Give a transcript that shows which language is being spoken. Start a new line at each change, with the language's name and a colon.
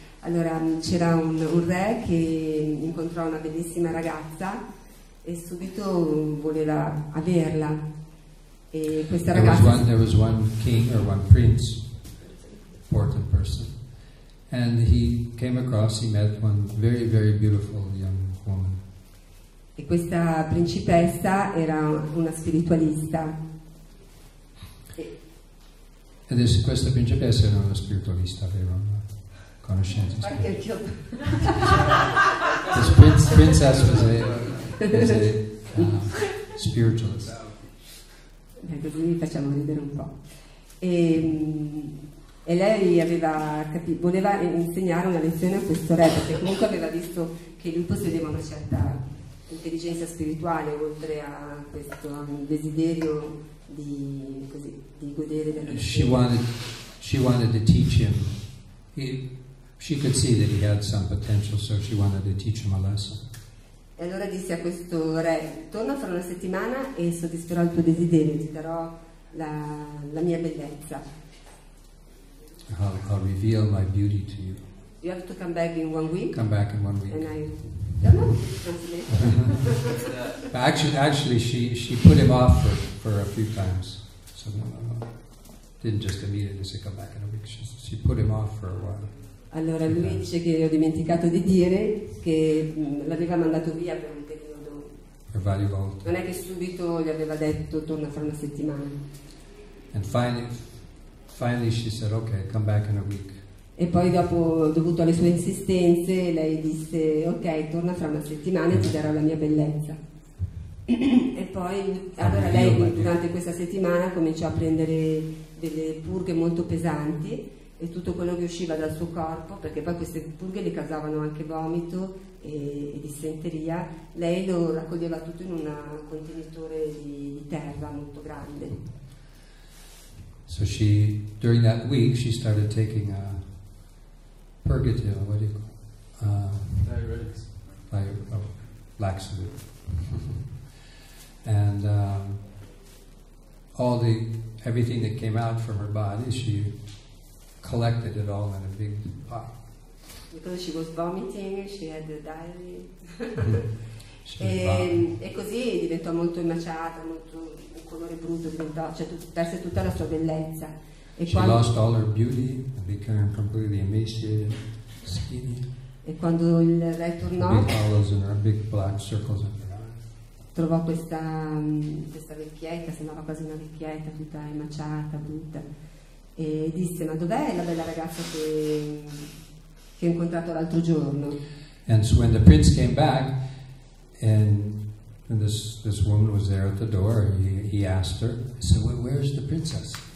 Italian: Allora, c'era un re che incontrò una bellissima ragazza e subito voleva averla. E questa ragazza...
English: There was one king or one prince, important person, and he met one very, very beautiful young woman.
Italian: E questa principessa era una spiritualista. E questa principessa era una spiritualista, aveva una conoscenza. Questa
English: princess was a spiritualist.
Italian: Così facciamo ridere un po'. E lei voleva insegnare una lezione a questo re, perché comunque aveva visto che lui possedeva una certa intelligenza spirituale, oltre a questo desiderio di godere della lezione.
English: She wanted to teach him. She could see that he had some potential, so she wanted to teach him a lesson.
Italian: E allora disse a questo re, torna fra una settimana e soddisferò il tuo desiderio, ti darò la mia bellezza.
English: I'll reveal my beauty to you. You have to come back in 1 week? Come back in 1 week. And I don't know. actually she put him off for a few times. So no. Didn't just immediately say come back in a week. She put him off for a while.
Italian: Allora lui dice che ho dimenticato di dire che l'aveva mandato via per un periodo. Per varie volte. Non è che subito gli aveva detto torna fra una settimana.
English: And finally she said okay, come back in a week.
Italian: E poi dopo, dovuto alle sue insistenze, lei disse ok, torna fra una settimana e ti darò la mia bellezza. E poi allora lei durante questa settimana cominciò a prendere delle purghe molto pesanti. E tutto quello che usciva dal suo corpo, perché poi queste purghe le causavano anche vomito e dissenteria, lei lo raccoglieva tutto in un contenitore di terra molto grande.
English: So she, during that week, she started taking a purgative, what do you call it? Diuretics. Laxative. And everything that came out from her body, she collected it all in a big pot. Because she was vomiting, she had the diary.
Italian: E così diventò molto emaciata, molto un colore brutto, perse tutta la sua bellezza.
English: E she lost all her beauty and became completely emaciated, skinny.
Italian: E quando il re tornò,
English: big hollows in her, big black circles in her eyes.
Italian: Trovò questa vecchietta, sembrava quasi una vecchietta, tutta emaciata, brutta. E disse, ma dov'è la bella ragazza che ho incontrato l'altro giorno?
English: And so when the prince came back, and this woman was there at the door, he asked her, he said, well, where's the princess?